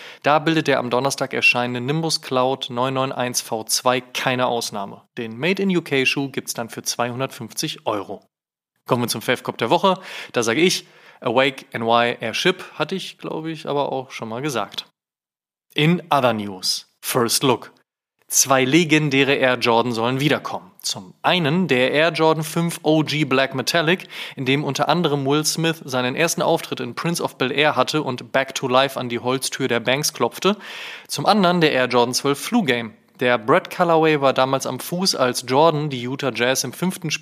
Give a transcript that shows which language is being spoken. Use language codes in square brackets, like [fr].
[de] Da bildet der am Donnerstag erscheinende Nimbus Cloud 991 V2 keine Ausnahme. Den Made in UK Schuh gibt's dann für 250 Euro. Kommen wir zum Favkop der Woche. Da sage ich, Awake NY Airship hatte ich, glaube ich, aber auch schon mal gesagt. [en] In other news, first look. [de] 2 legendäre Air Jordan sollen wiederkommen. Zum einen der Air Jordan 5 OG Black Metallic, in dem unter anderem Will Smith seinen ersten Auftritt in Prince of Bel-Air hatte und Back to Life an die Holztür der Banks klopfte. Zum anderen der Air Jordan 12 Flu Game. Der Brett Colorway war damals am Fuß, als Jordan die Utah Jazz im 5.